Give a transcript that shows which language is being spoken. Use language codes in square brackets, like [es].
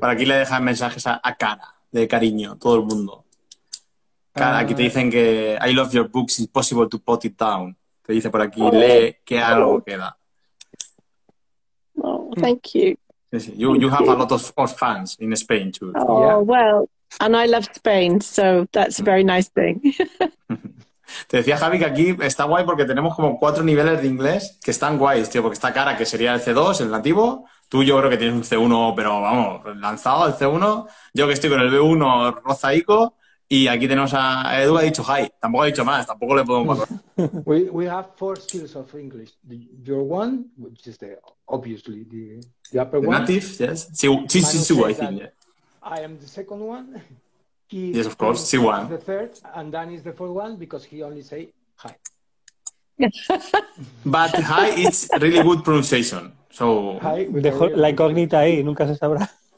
[es] Por aquí le dejan mensajes a Cara, de cariño, todo el mundo. [en] Cara, [es] aquí te dicen que [en] I love your books, it's possible to put it down. [es] Te dice por aquí, lee que algo queda. [en] Oh, thank you. You have a lot of fans in Spain too. Oh, yeah. Well, and I love Spain, so that's a very nice thing. [es] Te decía Javi que aquí está guay porque tenemos como cuatro niveles de inglés que están guays, tío, porque está Cara, que sería el C2, el nativo. Tú, yo creo que tienes un C1, pero vamos, lanzado el C1. Yo que estoy con el B1 rozaico. Y aquí tenemos a Edu, ha dicho hi. Tampoco ha dicho más, tampoco le podemos pasar. [en] We have four skills of English. Your one, which is the obviously the upper the one. Native, yes. C2, I think. Yeah. I am the second one. He's yes, of course, C1. He's the third, and Dan is the fourth one because he only say hi. But hi is really good pronunciation. So [es] hi, dejó la incógnita ahí, nunca se sabrá.